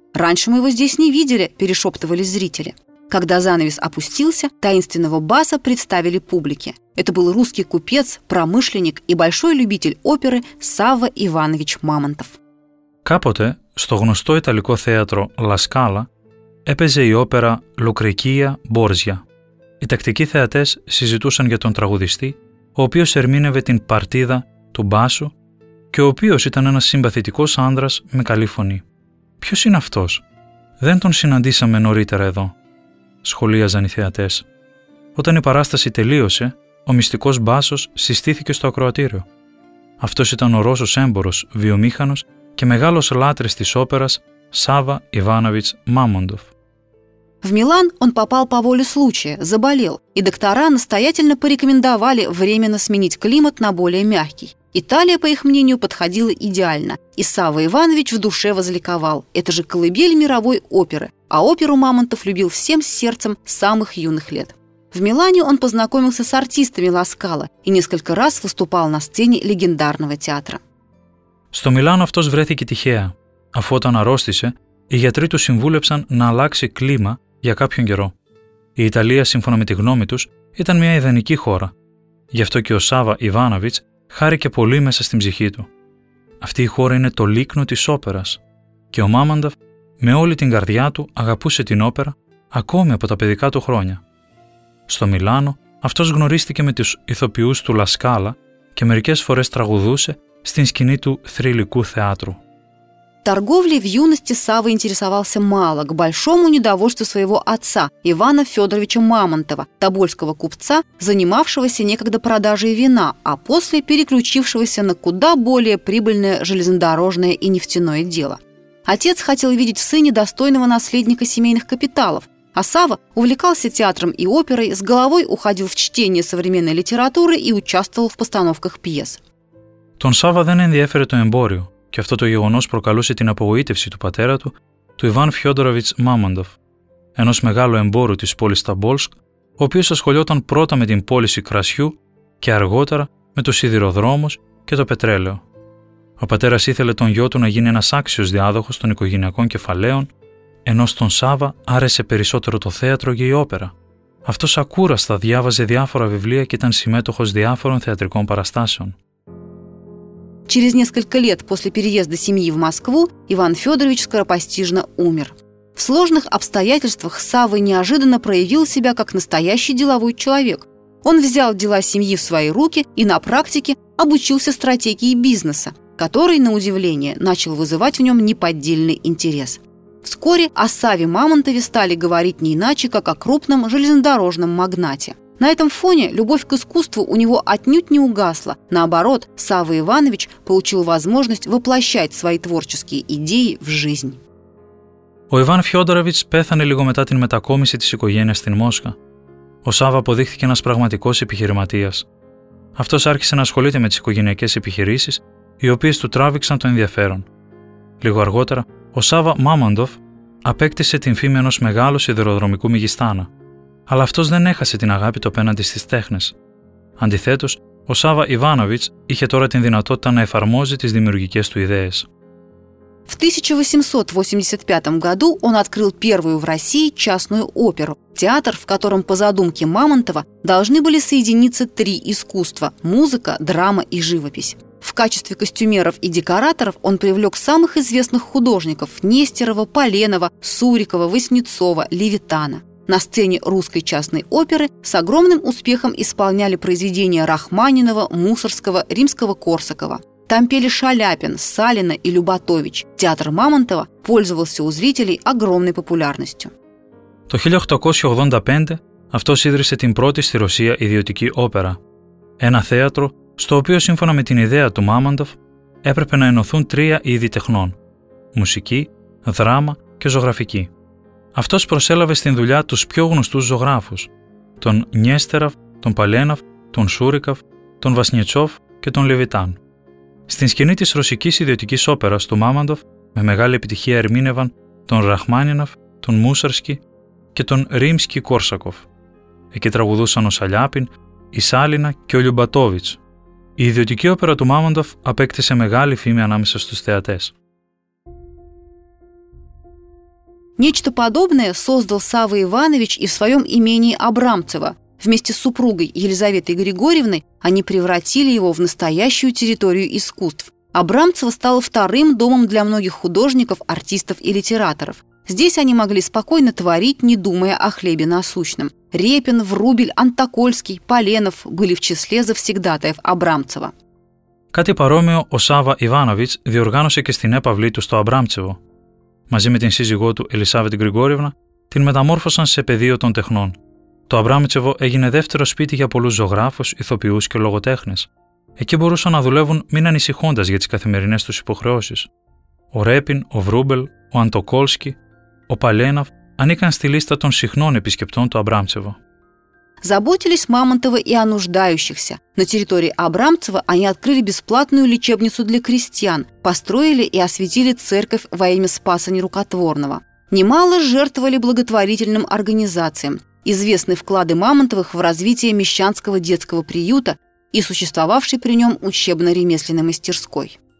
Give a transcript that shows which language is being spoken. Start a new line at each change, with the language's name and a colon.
Russian: Раньше мы его здесь не видели», – перешептывали зрители. Когда занавес опустился, таинственного баса представили публике. Это был русский купец, промышленник и большой любитель оперы Савва Иванович Мамонтов.
Greek: Κάποτε, στο γνωστό ιταλικό θέατρο La Scala, έπαιζε η όπερα Λουκρεκία Μπόρζια. Οι τακτικοί θεατές συζητούσαν για τον τραγουδιστή, ο οποίος ερμήνευε την παρτίδα του μπάσου και ο οποίος ήταν ένας συμπαθητικός άνδρας με καλή φωνή. «Ποιος είναι αυτός? Δεν τον συναντήσαμε νωρίτερα εδώ», σχολίαζαν οι θεατές. Όταν η παράσταση τελείωσε, ο μυστικός μπάσος συστήθηκε στο ακροατήριο. Αυτός ήταν ο Ρώσος έμπορος, βιομήχανος και μεγάλος λάτρης της όπερας Σάβα Ιβάναβιτς Μάμοντοφ.
Russian: В Милан он попал по воле случая, заболел, и доктора настоятельно порекомендовали временно сменить климат на более мягкий. Италия, по их мнению, подходила идеально, и Савва Иванович в душе возликовал. Это же колыбель мировой оперы, а оперу Мамонтов любил всем сердцем с самых юных лет. В Милане он познакомился с артистами Ла Скала и несколько раз выступал на сцене легендарного театра.
Greek: Στο Μιλάνο αυτός βρέθηκε τυχαία. Αφού όταν αρρώστησε, οι γιατροί του συμβούλεψαν να αλλάξει κλίμα για κάποιον καιρό. Η Ιταλία, σύμφωνα με τη γνώμη τους, ήταν μια ιδανική χώρα. Γι' αυτό και ο Σάβα Ιβάνοβιτς χάρηκε πολύ μέσα στην ψυχή του. Αυτή η χώρα είναι το λίκνο της όπερας. Και ο Μάμανταφ, με όλη την καρδιά του, αγαπούσε την όπερα ακόμη από τα παιδικά του χρόνια. Στο Μιλάνο, αυτός γνωρίστηκε με τους ηθοποιούς του Λα Σκάλα και μερικές φορές τραγουδούσε στην σκηνή του θρυλικού θεάτρου.
Russian: Торговлей в юности Савва интересовался мало, к большому недовольству своего отца, Ивана Федоровича Мамонтова, тобольского купца, занимавшегося некогда продажей вина, а после переключившегося на куда более прибыльное железнодорожное и нефтяное дело. Отец хотел видеть в сыне достойного наследника семейных капиталов, а Савва увлекался театром и оперой, с головой уходил в чтение современной литературы и участвовал в постановках пьес.
Greek: Тон Савва δεν ενδιέφερε το εμπόριο. Και αυτό το γεγονός προκαλούσε την απογοήτευση του πατέρα του, του Ιβάν Φιόντοροβιτς Μάμονταφ, ενός μεγάλου εμπόρου της πόλης Ταμπόλσκ, ο οποίος ασχολιόταν πρώτα με την πώληση κρασιού και αργότερα με τους σιδηροδρόμους και το πετρέλαιο. Ο πατέρας ήθελε τον γιο του να γίνει ένας άξιος διάδοχος των οικογενειακών κεφαλαίων, ενώ στον Σάβα άρεσε περισσότερο το θέατρο και η όπερα. Αυτός ακούραστα διάβαζε διάφορα βιβλία και ήταν συμμέτοχος διάφορων θεατρικών παραστάσεων.
Russian: Через несколько лет после переезда семьи в Москву Иван Федорович скоропостижно умер. В сложных обстоятельствах Савва неожиданно проявил себя как настоящий деловой человек. Он взял дела семьи в свои руки и на практике обучился стратегии бизнеса, который, на удивление, начал вызывать в нем неподдельный интерес. Вскоре о Савве Мамонтове стали говорить не иначе, как о крупном железнодорожном магнате. На этом фоне любовь к искусству у него отнюдь не угасла. Наоборот, Савва Иванович получил возможность воплощать свои творческие идеи в жизнь.
Greek: Ο Иван Фьодорович πέθανε λίγο μετά την μετακόμιση της οικογένειας στην Μόσχα. Ο Σάββα αποδείχθηκε ένας πραγματικός επιχειρηματίας. Αυτός άρχισε να ασχολείται με τις οικογενειακές επιχειρήσεις, οι οποίες του τράβηξαν το ενδιαφέρον. Λίγο αργότερα, ο Σάββα Μάμοντοφ απέκτησε την φήμη ενός μεγάλου σιδηροδρομικού μεγιστάνα. Αλλά αυτός δεν έχασε την αγάπη του απέναντι στις τέχνες. Αντιθέτως, ο Σάββα Ιβάνοβιτς είχε τώρα την δυνατότητα να εφαρμόζει τις δημιουργικές του ιδέες.
Russian: В 1885 году он открыл первую в России частную оперу – театр, в котором по задумке Мамонтова должны были соединиться три искусства – музыка, драма и живопись. В качестве костюмеров и декораторов он привлек самых известных художников – Нестерова, Поленова, Сурикова, Васнецова, Левитана. На сцене русской частной оперы с огромным успехом исполняли произведения Рахманинова, Мусоргского, Римского-Корсакова. Там пели Шаляпин, Салина и Любатович. Театр Мамонтова пользовался у зрителей огромной популярностью.
Greek: Το 1885 αυτός ίδρυσε την πρώτη στη Ρωσία ιδιωτική όπερα. Ένα θέατρο, στο οποίο σύμφωνα με την ιδέα του Μάμονταφ, έπρεπε να ενωθούν τρία είδη τεχνών. Μουσική, δράμα και ζωγραφική. Αυτός προσέλαβε στην δουλειά τους πιο γνωστούς ζωγράφους, τον Νιέστεραφ, τον Παλέναφ, τον Σούρικαφ, τον Βασνιετσόφ και τον Λεβιτάν. Στην σκηνή της ρωσικής ιδιωτικής όπερας του Μάμοντοφ με μεγάλη επιτυχία ερμήνευαν τον Ραχμάνινοφ, τον Μούσαρσκι και τον Ρίμσκι Κόρσακοφ. Εκεί τραγουδούσαν ο Σαλιάπιν, η Σάλινα και ο Λιουμπατόβιτς. Η ιδιωτική όπερα του Μάμοντοφ απέκτησε μεγάλη φήμη ανάμεσα στους θεατές.
Russian: Нечто подобное создал Савва Иванович и в своем имении Абрамцево. Вместе с супругой Елизаветой Григорьевной они превратили его в настоящую территорию искусств. Абрамцево стало вторым домом для многих художников, артистов и литераторов. Здесь они могли спокойно творить, не думая о хлебе насущном. Репин, Врубель, Антокольский, Поленов были в числе завсегдатаев Абрамцево.
Greek: Кати паромео о Савва Иванович диорганосе ке стене павлиту сто Абрамцево. Μαζί με την σύζυγό του Ελισάβετ Γκριγόρευνα, την μεταμόρφωσαν σε πεδίο των τεχνών. Το Αμπράμιτσεβο έγινε δεύτερο σπίτι για πολλούς ζωγράφους, ηθοποιούς και λογοτέχνες. Εκεί μπορούσαν να δουλεύουν μην ανησυχώντας για τις καθημερινές τους υποχρεώσεις. Ο Ρέπιν, ο Βρούμπελ, ο Αντοκόλσκι, ο Παλέναφ ανήκαν στη λίστα των συχνών επισκεπτών του Абрамцева.
Russian: Заботились Мамонтовы и о нуждающихся. На территории Абрамцева они открыли бесплатную лечебницу для крестьян, построили и осветили церковь во имя Спаса Нерукотворного. Немало жертвовали благотворительным организациям. Известны вклады Мамонтовых в развитие мещанского детского приюта и существовавшей при нем учебно-ремесленной мастерской.